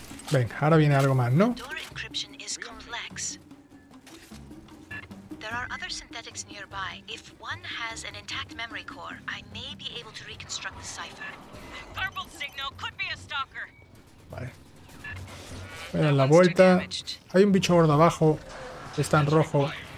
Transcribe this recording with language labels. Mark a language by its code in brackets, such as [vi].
[es] Venga, ahora viene algo más, ¿no? [en] Door encryption is complex. There are other synthetics nearby. If one has an intact memory core, I may be able to reconstruct the cipher. Purple signal could be a stalker. [es] Vale. Voy a dar la vuelta. Hay un bicho gordo abajo. Está en rojo.